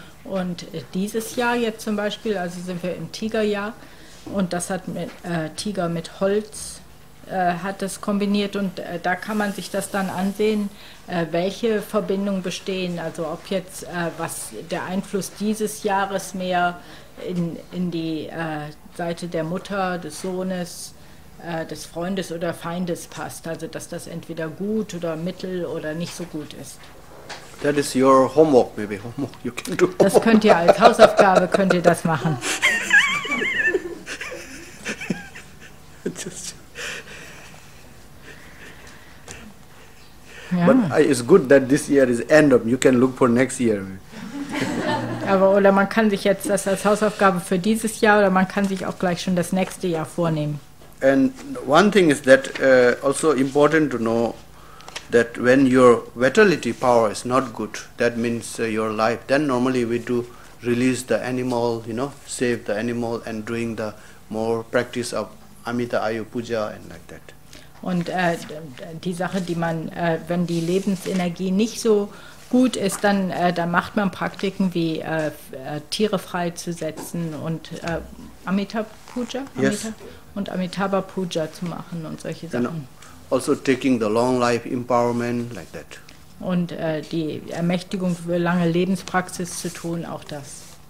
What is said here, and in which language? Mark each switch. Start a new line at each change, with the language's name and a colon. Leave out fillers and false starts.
German: Und dieses Jahr jetzt zum Beispiel, also sind wir im Tigerjahr, und das hat mit Tiger mit Holz hat das kombiniert, und da kann man sich das dann ansehen, welche Verbindungen bestehen, also ob jetzt was der Einfluss dieses Jahres mehr in die Seite der Mutter, des Sohnes, des Freundes oder Feindes passt, also dass das entweder gut oder mittel oder nicht so gut ist.
English: That is your homework, maybe homework you can do.
German: Das könnt ihr als Hausaufgabe könnt ihr das machen.
English: Yeah. But it's good that this year is end up. You can look for next year.
German: Aber oder man kann sich jetzt das als Hausaufgabe für dieses Jahr, oder man kann sich auch gleich schon das nächste Jahr vornehmen.
English: And one thing is that also important to know that when your vitality power is not good, that means your life, then normally we do release the animal, you know, save the animal and doing the more practice of Amita Ayu Puja and like that.
German: Und die Sache, die man, wenn die Lebensenergie nicht so gut ist, dann da macht man Praktiken wie Tiere freizusetzen und Amitabha Puja zu machen und solche Sachen.
English: And also taking the long life empowerment, like that.
German: Und die Ermächtigung für lange Lebenspraxis zu tun, auch das.